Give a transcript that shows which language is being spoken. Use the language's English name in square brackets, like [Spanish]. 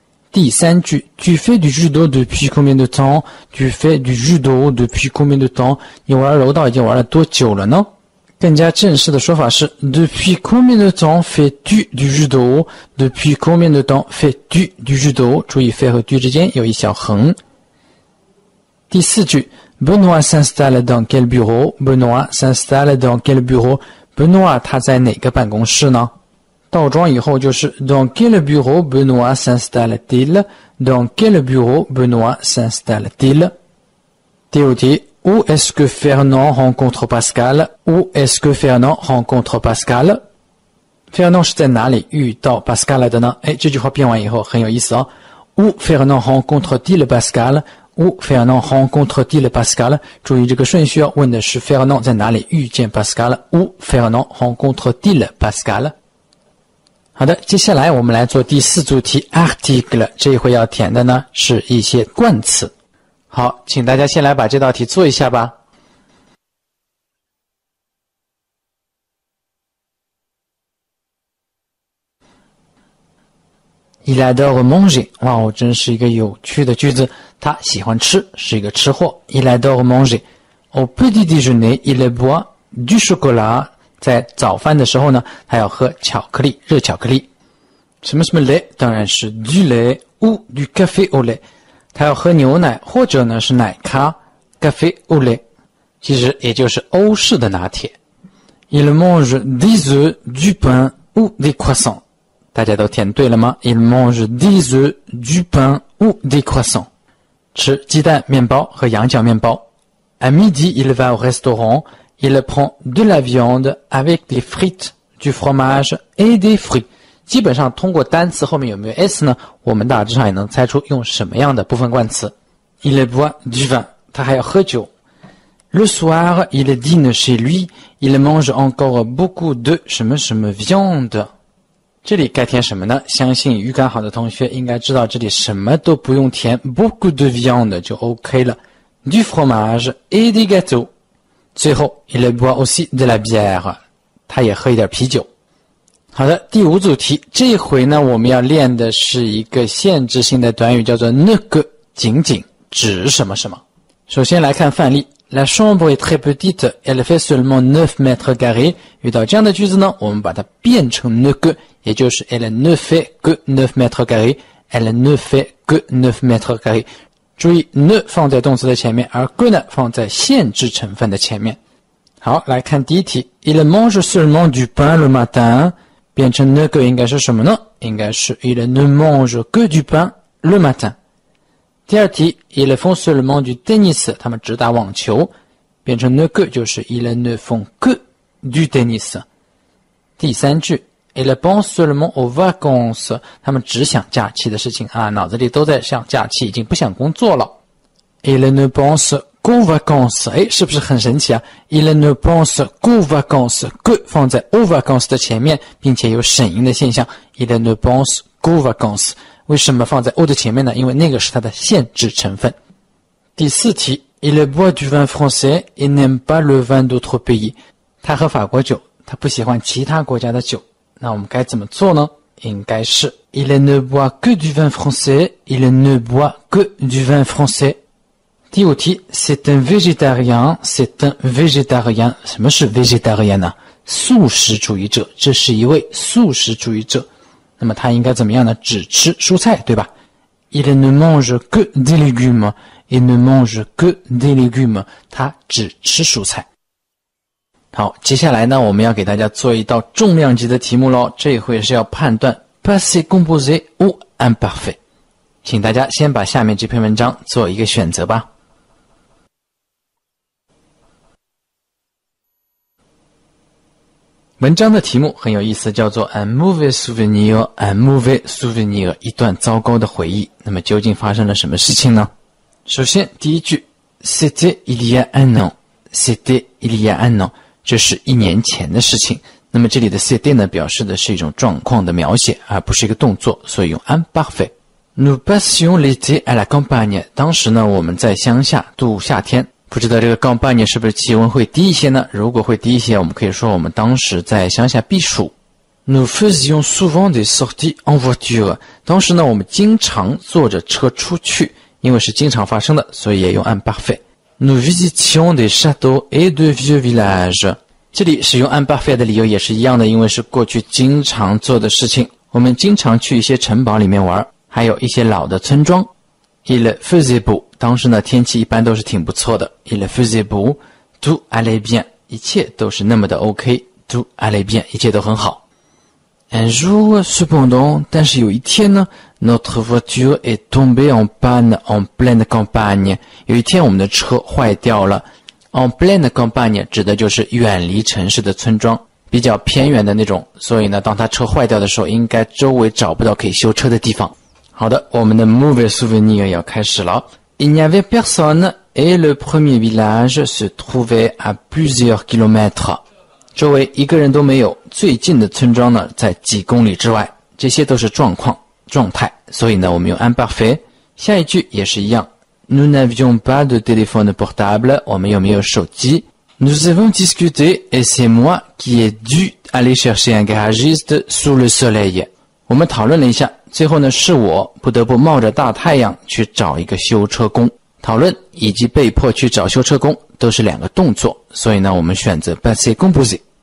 [French] 第三句 tu fais du judo depuis combien de temps tu fais du judo depuis combien de temps [Chinese] 你玩柔道已经玩了多久了呢更加正式的说法是 [French] depuis combien de temps fais-tu du judo depuis combien de temps fais-tu du judo [Chinese] 注意 [French] fais 和 tu [Chinese] 之间有一小横第四句 [French] Benoît s'installe dans quel bureau? Benoît s'installe dans quel bureau? [Chinese] Benoît 他在哪个办公室呢倒装以后就是 [French] Dans quel bureau Benoît s'installe-t-il? Dans quel bureau Benoît s'installe-t-il? [Chinese] 第五题 [French] Où est-ce que Fernand rencontre Pascal? Où est-ce que Fernand rencontre Pascal? [Chinese] Fernand 是在哪里遇到 Pascal 的呢诶这句话变完以后很有意思哦 [French] Où Fernand rencontre-t-il Pascal? Où Fernand rencontre-t-il Pascal? [Chinese] 注意这个顺序哦，问的是 Fernand 在哪里遇见 Pascal? [French] Où Fernand rencontre-t-il Pascal? [Chinese] 好的，接下来我们来做第四组题 ,article, 这一回要填的呢，是一些冠词。好，请大家先来把这道题做一下吧。 [French] Il adore manger. [Chinese] 哇哦，真是一个有趣的句子。他喜欢吃，是一个吃货。 [French] Il adore manger. Au petit déjeuner, il boit du chocolat. [Chinese] 在早饭的时候呢，他要喝巧克力，热巧克力。什么什么 lait? 当然是 [French] du lait ou du café au lait. [Chinese] 他要喝牛奶，或者呢是奶咖 café au lait. 其实也就是欧式的拿铁。 [French] Il mange des œufs, du pain ou des croissants. [Chinese] 大家都填对了吗 [French] Il mange des œufs, du pain ou des croissants. [Chinese] 吃鸡蛋面包和羊角面包。 [French] À midi, il va au restaurant, il prend de la viande avec des frites, du fromage et des fruits. [Chinese] 基本上通过单词后面有没有 S 呢我们大致上也能猜出用什么样的部分冠词。 [French] Il boit du vin, [Chinese] 他还要喝酒。 [French] Le soir, il dîne chez lui. Il mange encore beaucoup de [Chinese] 什么什么 [French] viande. [Chinese] 这里该填什么呢？相信语感好的同学应该知道，这里什么都不用填， [French] beaucoup de viande [Chinese] 就 OK 了。 [French] Du fromage et des gâteaux. [Chinese] 最后 [French] il boit aussi de la bière. [Chinese] 他也喝一点啤酒。好的，第五组题，这回呢我们要练的是一个限制性的短语，叫做 ne que 仅仅指什么什么。首先来看范例。 [French] La chambre est très petite, elle fait seulement 9 mètres carrés. [Chinese] 遇到这样的句子呢，我们把它变成 ne que, 也就是 [French] elle ne fait que 9 mètres carrés. Elle ne fait que 9 mètres carrés. [Chinese] 注意 ne 放在动词的前面，而 que 呢放在限制成分的前面。好，来看第一题。 [French] Il mange seulement du pain le matin. [Chinese] 变成 ne que 应该是什么呢？应该是 [French] il ne mange que du pain le matin. [Chinese] 第二题 [French] ,ils font seulement du tennis, [Chinese] 他们只打网球。 [French] 变成 ne que, 就是 ils ne font que du tennis。 [Chinese] 第三句 , [French] ils pensent seulement aux vacances, [Chinese] 他们只想假期的事情啊，脑子里都在想假期，已经不想工作了。 [French] ils ne pensent qu'aux vacances, [Chinese] 诶，是不是很神奇啊 [French] ?ils ne pensent qu'aux vacances, que [Chinese] 放在 [French] aux vacances [Chinese] 的前面，并且有省音的现象 [French] ,ils ne pensent qu'aux vacances。 [Chinese] 为什么放在 O 的前面呢？因为那个是它的限制成分。第四题 [French] ,Il boit du vin français et n'aime pas le vin d'autres pays. [Chinese] 他喝法国酒，他不喜欢其他国家的酒。那我们该怎么做呢？应该是 [French] ,Il ne boit que du vin français, il ne boit que du vin français. [Chinese] 第五题 [French] ,C'est un végétarien, c'est un végétarien. [Chinese] 什么是 végétarien 呢？素食主义者，这是一位素食主义者。那么他应该怎么样呢？只吃蔬菜，对吧 [French] ？Il ne mange que des légumes. Il ne mange que des légumes. [Chinese] 他只吃蔬菜。好，接下来呢，我们要给大家做一道重量级的题目喽。这回是要判断 [French] passé composé ou imparfait。 [Chinese] 请大家先把下面这篇文章做一个选择吧。文章的题目很有意思，叫做 [French] Un mauvais souvenir, un mauvais souvenir, [Chinese] 一段糟糕的回忆。那么究竟发生了什么事情呢？首先第一句 [French] C'était il y a un an, c'était il y a un an, [Chinese] 这是一年前的事情。那么这里的 c'était 呢，表示的是一种状况的描写，而不是一个动作，所以用 imparfait。 [French] Nous passions l'été à la campagne, [Chinese] 当时呢我们在乡下度夏天。不知道这个campagne是不是气温会低一些呢？如果会低一些，我们可以说我们当时在乡下避暑。 [French] Nous faisions souvent des sorties en voiture. [Chinese] 当时呢，我们经常坐着车出去，因为是经常发生的，所以也用 imparfait. [French] Nous visitions des châteaux et de vieux villages. [Chinese] 这里使用 imparfait 的理由也是一样的，因为是过去经常做的事情。我们经常去一些城堡里面玩，还有一些老的村庄。 [French] Il faisait beau. [Chinese] 当时呢，天气一般都是挺不错的。 [French] Il faisait beau. Tout allait bien. [Chinese] 一切都是那么的 OK. [French] Tout allait bien. [Chinese] 一切都很好。 [French] Un jour, cependant, [Chinese] 但是有一天呢， [French] notre voiture est tombée en panne en pleine campagne. [Chinese] 有一天我们的车坏掉了。 [French] En pleine campagne [Chinese] 指的就是远离城市的村庄，比较偏远的那种。所以呢，当他车坏掉的时候，应该周围找不到可以修车的地方。好的，我们的 mauvais souvenir 要开始了。 [French] Il n'y avait personne et le premier village se trouvait à plusieurs kilomètres. [Chinese] 周围一个人都没有，最近的村庄呢在几公里之外。这些都是状况、状态，所以呢我们用 imparfait。下一句也是一样。 [French] Nous n'avions pas de téléphone portable. [Chinese] 我们有没有手机 [French] ？Nous avons discuté et c'est moi qui ai dû aller chercher un garagiste sous le soleil. [Chinese] 我们讨论了一下。最后呢，是我不得不冒着大太阳去找一个修车工。讨论以及被迫去找修车工都是两个动作，所以呢我们选择 passé composé。